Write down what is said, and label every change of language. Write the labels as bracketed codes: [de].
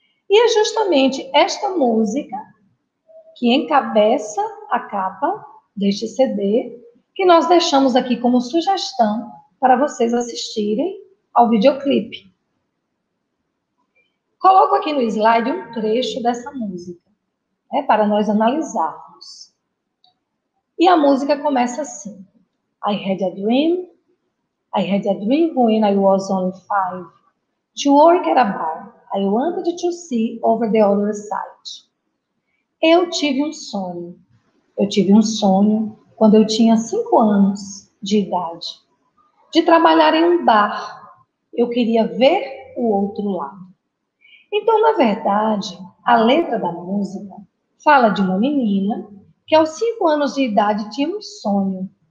[pt] E é justamente esta música que encabeça a capa deste CD que nós deixamos aqui como sugestão para vocês assistirem ao videoclipe. Coloco aqui no slide um trecho dessa música, né, para nós analisarmos. E a música começa assim. [en] I had a dream. I had a dream when I was only 5. To work at a bar. I wanted to see over the other side. [pt] Eu tive um sonho. Eu tive um sonho quando eu tinha 5 anos de idade. De trabalhar em um bar. Eu queria ver o outro lado. Então, na verdade, a letra da música fala de uma menina que aos 5 anos de idade tinha um sonho.